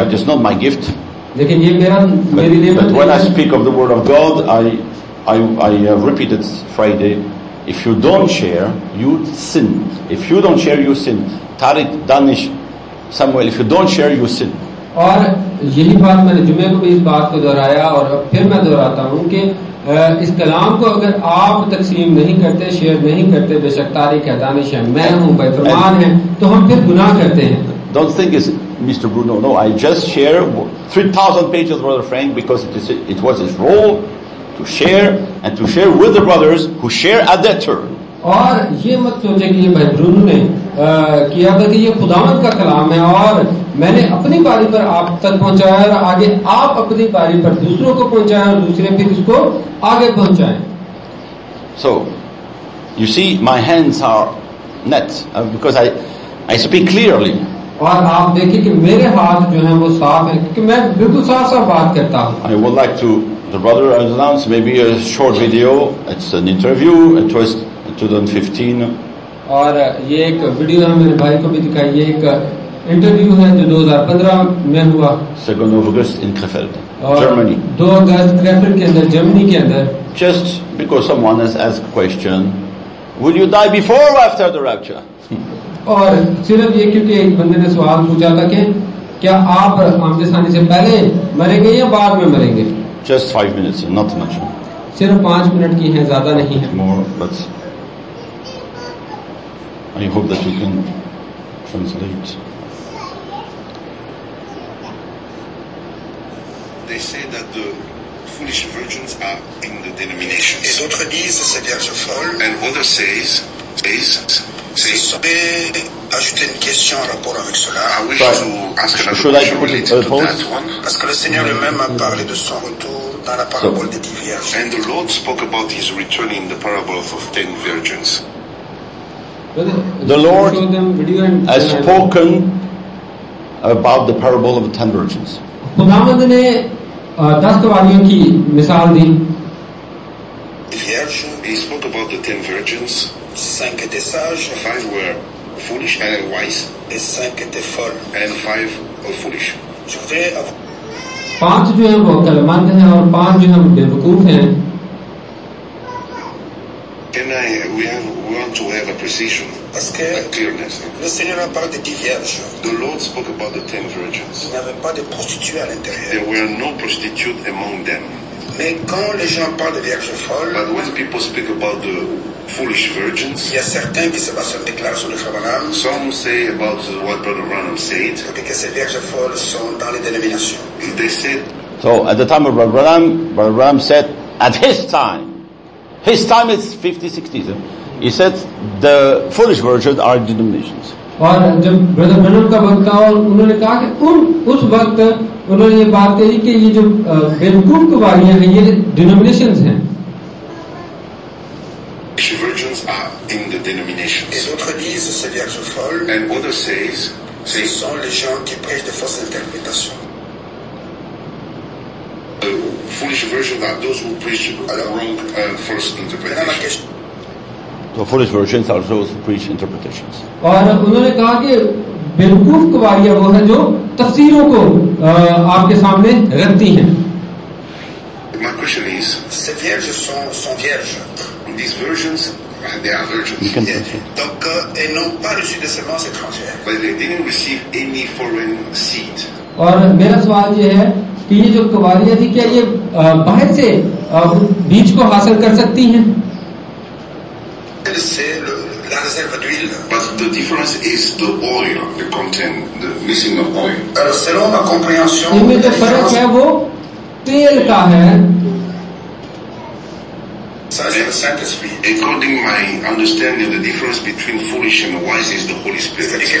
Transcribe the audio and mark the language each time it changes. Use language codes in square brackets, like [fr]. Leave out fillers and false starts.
[en] But it's not my gift. [hi] लेकिन ये मेरा मेरी नेमत. [en] But when I speak of the word of God, I repeated Friday, if you don't share, you sin. If you don't share, you sin. Tariq, Danish, Samuel, if you don't share, you sin. [hi] और यही बात मैंने जुमे को भी इस बात को दोहराया और फिर मैं दोहराता हूँ कि इस कलाम को अगर आप तकसीम नहीं करते, शेयर नहीं करते, बेशक तारिक है, दानिश है, मैं हूँ, बेफरमान है, तो हम फिर गुनाह करते हैं. [en] Don't think it's Mr. Bruno. No, I just share 3,000 pages with Frank because it was his role. To share and to share with the brothers who share at that turn. [hi] और ये मत सोचे कि ये भाई ब्रूनो ने किया बल्कि ये खुदावंत का कलाम है और मैंने अपनी बारी पर आप तक पहुंचाया और आगे आप अपनी बारी पर दूसरों को पहुंचाएं और दूसरे फिर इसको आगे पहुंचाएं. [en] So, you see, my hands are net because I speak clearly. [hi] और आप देखिए कि मेरे हाथ जो हैं वो साफ हैं क्योंकि मैं बिल्कुल साफ साफ बात करता हूँ. [en] I would like to. The brother has announced maybe a short video. It's an interview. It was 2015. [hi] और ये एक वीडियो है मेरे भाई को भी दिखाई. ये एक इंटरव्यू है जो 2015 में हुआ. [en] 2nd of August in Krefeld, Germany. [hi] 2 August Krefeld के अंदर जर्मनी के अंदर. [en] Just because someone has asked a question, will you die before or after the rapture? [hi] और सिर्फ ये क्योंकि एक बंदे ने सवाल पूछा था कि क्या आप आमने सामने से पहले मरेंगे या बाद में मरेंगे. [en] Just 5 minutes, not much. [hi] सिर्फ 5 मिनट की है, ज्यादा नहीं है. [en] More, but I hope that you can translate. They say that the foolish virgins are in the denominations. [fr] Et d'autres disent ces vierges folles. [en] And others say. [fr] Ajouter une question en rapport avec cela. [en] Should I put it on hold? [fr] Parce que le Seigneur lui-même a parlé de son retour. [en] So, and the Lord spoke about his return in the parable of 10 virgins. The Lord has spoken about the parable of 10 virgins. He spoke about the 10 virgins. [fr] 5 étaient sages, [en] 5 were foolish and wise, [fr] et 5 étaient folles, [en] and 5 were foolish. [hi] पांच जो है वो अकलमंद है और पांच जो है वो बेवकूफ है. [en] Can I, we have one to have a precision, [fr] parce que [en] a clearness. [fr] Le Seigneur a parlé des vierges. [en] The Lord spoke about the ten virgins. [fr] Il n'y avait pas de prostituées à l'intérieur. [en] There were no prostitutes among them. [fr] Mais quand les gens parlent des vierges folles, [en] but when people speak about the foolish virgins, [fr] il y a certains qui se basent déclarent sur le frère Branham. [en] Some say about what Brother Branham said. [fr] Que ces vierges folles sont dans les dénominations. [en] They said. So at the time of Brother Branham said, at his time is 50-60s. He said the foolish virgins are denominations. [hi] और जब brother Branham का वक्त था और उन्होंने कहा कि उस वक्त उन्होंने ये बात कही कि ये जो बेवकूफ कुंवारियां हैं ये डिनोमिनेशंस हैं. [en] Virgins are in the denominations. [fr] Et d'autres disent ces vierges folles. [en] And others says, [fr] ce sont les gens qui prêchent de fausses interprétations. [en] The foolish virgins are those who preach the wrong false interpretations. So foolish virgins are those who preach interpretations. [hi] और उन्होंने कहा कि बेवकूफ कुंवारियां वो हैं जो तफसीरों को आपके सामने रखती हैं. [en] My question is, [fr] ces vierges sont vierges. [en] These virgins, they are virgins. [fr] Donc, elles n'ont pas reçu de semences étrangères. [en] But they didn't receive any foreign seed. [hi] और मेरा सवाल ये है कि ये जो कुंवारियां थी क्या ये बाहर से बीज को हासिल कर सकती हैं? [en] But the difference is the oil, the content, the missing of oil. [fr] Alors selon ma compréhension, le différence est [hi] wo tel ka hai. [en] According to my understanding, the difference between foolish and wise is the Holy Spirit.